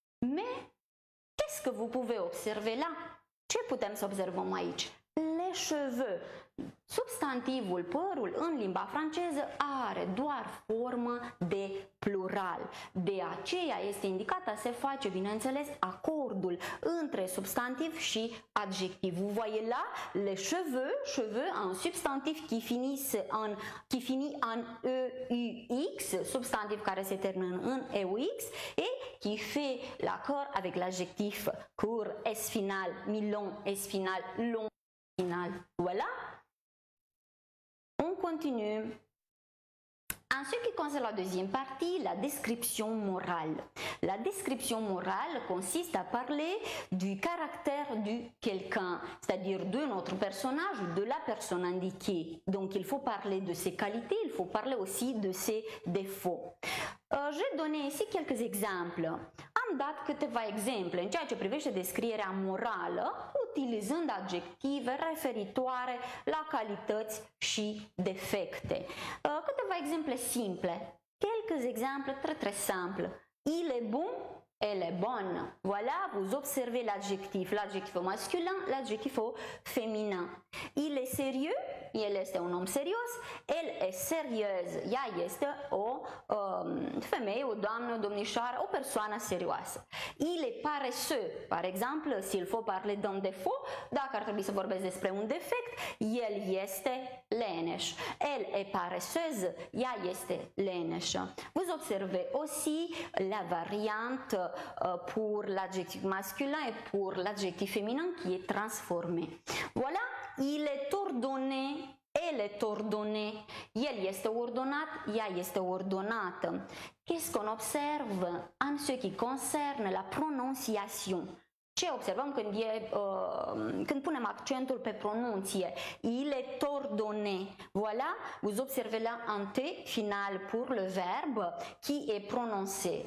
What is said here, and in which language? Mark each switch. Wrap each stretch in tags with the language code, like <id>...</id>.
<fr>Mais qu'est-ce que vous pouvez observer là?</fr> <ro>Ce putem să observăm aici?</ro> <fr>Les cheveux.</fr> <ro>Substantivul părul în limba franceză are doar formă de plural. De aceea este indicată, se face, bineînțeles, acordul între substantiv și adjectiv.</ro> <fr>Vous voyez là, les cheveux, cheveux, un substantiv qui finisse en, qui finit en EUX,</fr> <ro>substantiv care se termină în EUX,</ro> <fr>et qui fait l'accord avec l'adjectif court, S final, mi-long, S final, long. Voilà. On continue. En ce qui concerne la deuxième partie, la description morale. La description morale consiste à parler du caractère du quelqu'un, c'est-à-dire de notre personnage ou de la personne indiquée. Donc il faut parler de ses qualités, il faut parler aussi de ses défauts. J'ai donné ici quelques exemples.</fr> <ro>Am dat câteva exemple în ceea ce privește descrierea morală, utilizând adjective referitoare la calități și defecte. Câteva exemple simple.</ro> <fr>Quelques exemples très très simples. Il est bon, elle est bonne. Voilà, vous observez l'adjectif. L'adjectif masculin, l'adjectif féminin. Il est sérieux,</fr> <ro>el este un om serios.</ro> <fr>Elle est sérieuse,</fr> <ro>ea este o femeie, o doamnă, o domnișoară, o persoană serioasă.</ro> <fr>Il est paresseux, par exemple, s'il faut parler d'un défaut,</fr> <ro>dacă ar trebui să vorbesc despre un defect, el este leneș.</ro> <fr>Elle est paresseuse,</fr> <ro>ea este leneșă.</ro> <fr>Vous observez aussi la variante pour l'adjectif masculin et pour l'adjectif féminin qui est transformé. Voilà, il est ordonné, elle est ordonnée.</fr> <ro>El este ordonat, ea este ordonată.</ro> <fr>Qu'est-ce qu'on observe en ce qui concerne la prononciation?</fr> <ro>Ce observăm când, când punem accentul pe pronunție?</ro> <fr>Il est ordonné. Voilà, vous observez là un T final pour le verbe qui est prononcé.</fr>